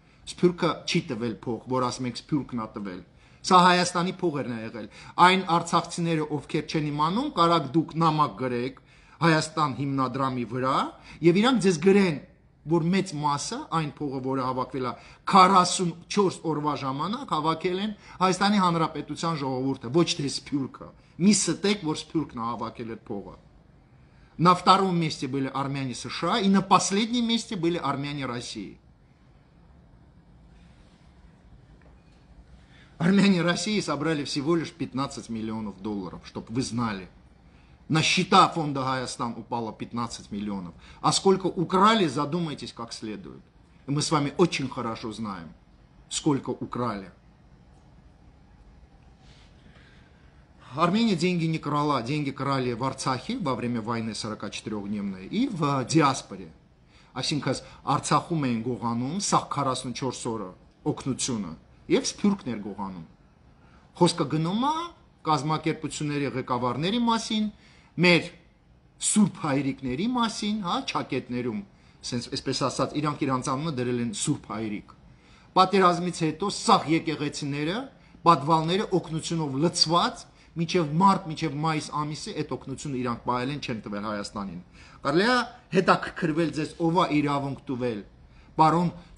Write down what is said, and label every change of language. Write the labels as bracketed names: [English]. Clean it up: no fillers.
[Armenian] Սփյուռքը չի տվել փող, որ ասում ենք Սփյուռքն է տվել, սա Հայաստանի փողերն է եղել։ Այն արցախցիները, ովքեր չեն իմանում, կարակ դուք նամակ գրեք Հայաստան հիմնադրամի վրա եւ իրանք ձեզ գրեն, որ մեծ մասը այն փողը, որը հավաքվել է 44 օրվա ժամանակ, հավաքել են Հայաստանի Հանրապետության ժողովուրդը, ոչ թե Սփյուռքը։ Մի ստեք, որ Սփյուռքն է հավաքել այդ փողը։ [Russian] На втором месте были армяне США и на последнем месте были армяне России. Армяне России собрали всего лишь 15 миллионов долларов, чтобы вы знали. На счета фонда Хаястан упало 15 миллионов. А сколько украли, задумайтесь как следует. И мы с вами очень хорошо знаем, сколько украли. Армения деньги не крала. Деньги крали в Арцахе во время войны 44-дневной и в диаспоре. [Armenian] Այսինքն Արցախում էին գողանում սա 44 օրը օկնությունը եւ սփյուրքներ գողանում։ Խոսքը գնում է կազմակերպությունների ղեկավարների մասին, մեր Սուրբ հայրիկների մասին, հա, ճակետներում, ասենց, այսպես ասած, իրանք իրանց անունը դրել են Սուրբ հայրիկ։ Պատերազմից հետո սաղ եկեղեցիները, պատվալները օկնությունով լցված, մինչև մարտ, մինչև մայիս ամիսը այդ օկնությունը իրանք պահել են, չեն տվել Հայաստանին։ Կարելի է հետաքրքրվել ձեզ ով է իրավունք տվել, պարոն